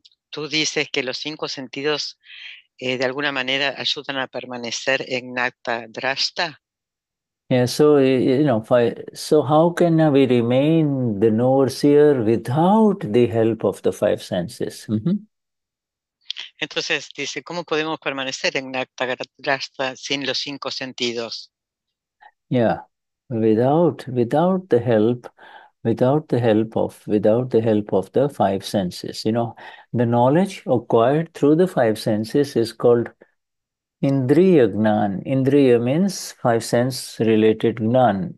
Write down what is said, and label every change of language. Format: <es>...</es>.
<es>Tú dices que los cinco sentidos de alguna manera ayudan a permanecer en Gnata Drashta.</es> <en>Yeah, so you know, so how can we remain the knower seer without the help of the five senses?</en> <es>Entonces dice, ¿cómo podemos permanecer en Gnata Drashta sin los cinco sentidos?</es> <en>Yeah, without the help of the five senses. You know, the knowledge acquired through the five senses is called Indriya Gnan. Indriya means five sense related gnan.</en>